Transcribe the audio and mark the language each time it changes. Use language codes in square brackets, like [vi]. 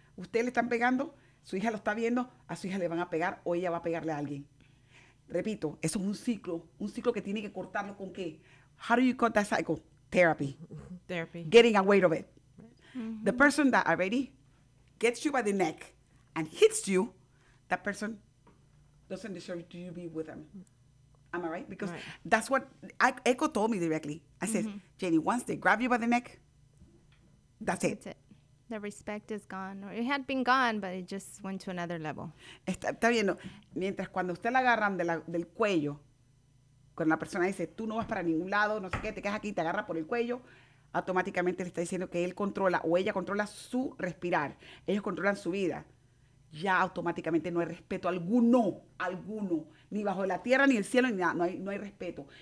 [es] Usted le están pegando, su hija lo está viendo, a su hija le van a pegar o ella va a pegarle a alguien. Repito, eso es un ciclo que tiene que cortarlo con qué. [en] How do you cut that cycle? Therapy. Getting away of it. Mm-hmm. The person that already gets you by the neck and hits you, that person doesn't deserve to be with them. Am I right? Because that's what Echo told me directly. I said, Jenny, once they grab you by the neck, that's it. The respect is gone. It had been gone, but it just went to another level. [es] Está viendo. Mientras cuando usted la agarran del cuello, cuando la persona dice, tú no vas para ningún lado, no sé qué, te quedas aquí, te agarra por el cuello, automáticamente le está diciendo que él controla o ella controla su respirar. Ellos controlan su vida. Ya automáticamente no hay respeto alguno, ni bajo la tierra, ni el cielo, ni nada. No hay respeto.